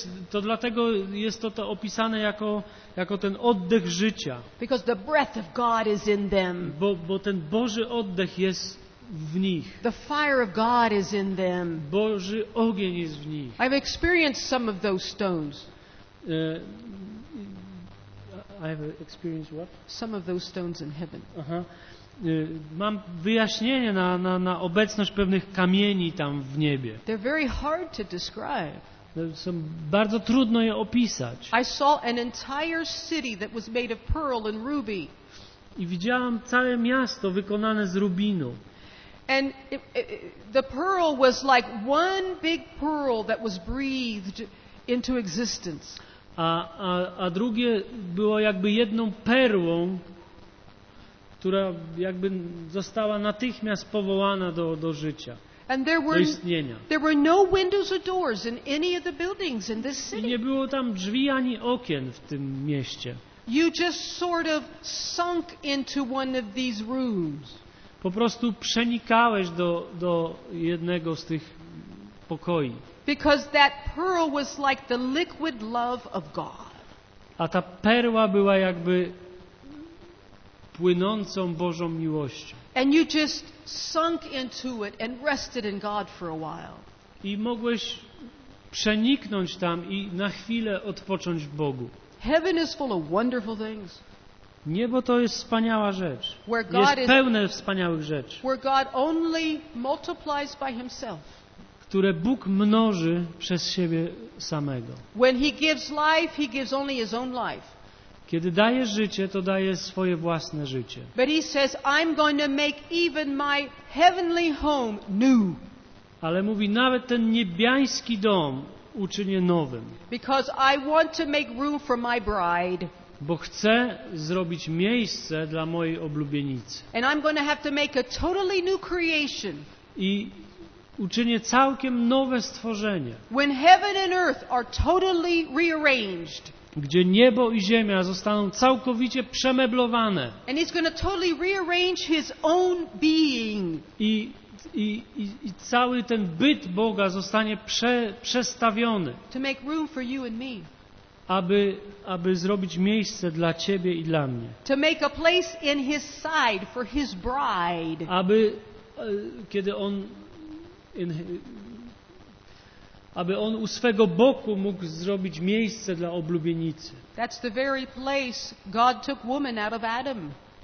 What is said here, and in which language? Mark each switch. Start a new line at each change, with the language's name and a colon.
Polish: To dlatego jest to opisane jako ten oddech życia.
English: Because the breath of God is in them.
Polish: Bo ten Boży oddech jest w nich.
English: The fire of God is in them.
Polish: Boży ogień jest w nich.
English: I've experienced some of those stones. I have experienced what? Some of those stones in heaven. Aha.
Polish: Mam wyjaśnienie na obecność pewnych kamieni tam w niebie.
English: They're very hard to describe.
Polish: Są bardzo trudno je opisać.
English: I saw an entire city that was made of pearl and ruby.
Polish: I widziałam całe miasto wykonane z rubinu.
English: And the pearl was like one big pearl that was breathed into existence.
Polish: A drugie było jakby jedną perłą, która jakby została natychmiast powołana do życia, do istnienia.
English: There were no windows or doors in any of the buildings in this city.
Polish: I nie było tam drzwi ani okien w tym mieście.
English: You just sort of sunk into one of these rooms.
Polish: Po prostu przenikałeś do jednego z tych pokoi.
English: Because that pearl was like the liquid love of God.
Polish: A ta perła była jakby płynącą Bożą miłością.
English: And you just sunk into it and rested in God for a while.
Polish: I mogłeś przeniknąć tam i na chwilę odpocząć w Bogu.
English: Heaven is full of wonderful things.
Polish: Niebo to jest wspaniała rzecz. Jest pełne wspaniałych rzeczy.
English: Where God only multiplies by himself.
Polish: Które Bóg mnoży przez siebie samego.
English: When he gives life, he gives only his own life.
Polish: Kiedy daje życie, to daje swoje własne życie.
English: But he says, I'm going to make even my heavenly home new.
Polish: Ale mówi, nawet ten niebiański dom uczynię nowym.
English: Because I want to make room for my bride.
Polish: Bo chcę zrobić miejsce dla mojej oblubienicy.
English: And I'm going to have to make a totally new creation.
Polish: I uczynię całkiem nowe stworzenie.
English: When heaven and earth are totally rearranged.
Polish: Gdzie niebo i ziemia zostaną całkowicie przemeblowane.
English: And he's going to totally rearrange his own being.
Polish: I cały ten byt Boga zostanie przestawiony.
English: To make room for you and me.
Polish: Aby zrobić miejsce dla ciebie i dla mnie.
English: To make a place in his side for his bride.
Polish: Aby kiedy on aby on u swego boku mógł zrobić miejsce dla oblubienicy.
English: That's the very place God took woman out of Adam.